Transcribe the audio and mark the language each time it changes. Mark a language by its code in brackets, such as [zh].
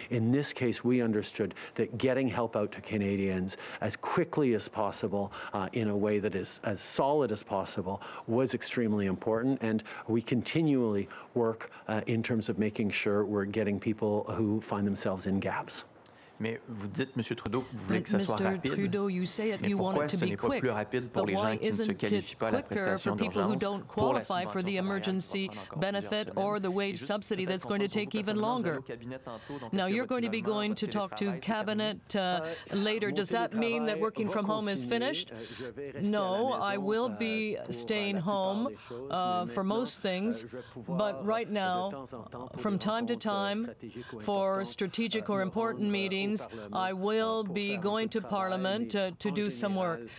[en] In this case, we understood that getting help out to Canadians as quickly as possible, in a way that is as solid as possible, was extremely important. And we continually work in terms of making sure we're getting people who find themselves in gaps. [fr] Mais vous dites, M. Trudeau, vous voulez que ça soit rapide. [en] Trudeau, you say it, you want it to be quick. [fr] Mais pourquoi ce n'est pas plus rapide pour les gens qui ne se qualifient pas à la prestation d'urgence, pour la subvention [en] for the emergency benefit or the wage subsidy that's going to take even longer? Now, you're going to be going to talk to cabinet later. Does that mean that working from home is finished? No, I will be staying home for most things, but right now, from time to time, for strategic or important meetings, I will be going to Parliament to do some work.